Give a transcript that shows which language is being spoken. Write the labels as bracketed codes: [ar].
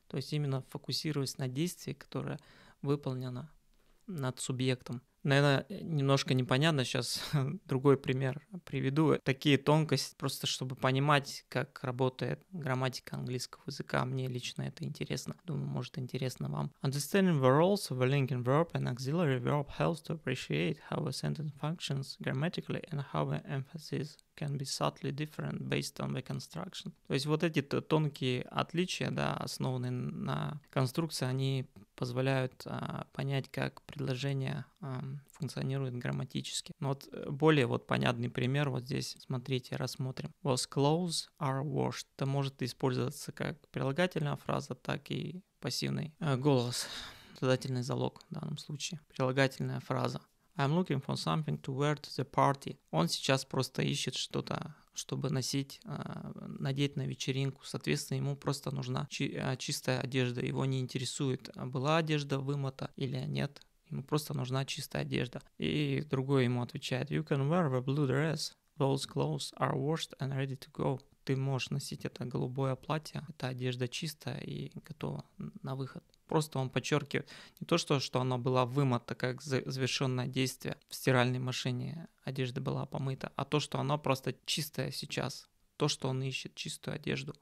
[ru] То есть именно фокусируясь на действии, которое выполнено над субъектом. Наверное, немножко непонятно, сейчас другой пример приведу. Такие тонкости, просто чтобы понимать, как работает грамматика английского языка. Мне лично это интересно. Думаю, может, интересно вам. [en] Understanding the roles of a linking verb and auxiliary verb helps to appreciate how a sentence functions grammatically and how the emphasis can be subtly different based on the construction. [ru] То есть вот эти тонкие отличия, да, основанные на конструкции, они позволяют понять, как предложение функционирует грамматически. Но вот более вот понятный пример вот здесь. Смотрите, рассмотрим. [en] Was clothes are washed. [ru] Это может использоваться как прилагательная фраза, так и пассивный голос. Задательный залог в данном случае. Прилагательная фраза. [en] I'm looking for something to wear to the party. [ru] Он сейчас просто ищет что-то, чтобы носить, надеть на вечеринку. Соответственно, ему просто нужна чистая одежда. Его не интересует, была одежда вымота или нет. Ему просто нужна чистая одежда. И другой ему отвечает. [en] You can wear the blue dress. Those clothes are washed and ready to go. [ru] Ты можешь носить это голубое платье. Эта одежда чистая и готова на выход. Просто он подчеркивает не то, что она была вымота, как завершенное действие в стиральной машине, одежда была помыта, а то, что она просто чистая сейчас, то, что он ищет, чистую одежду.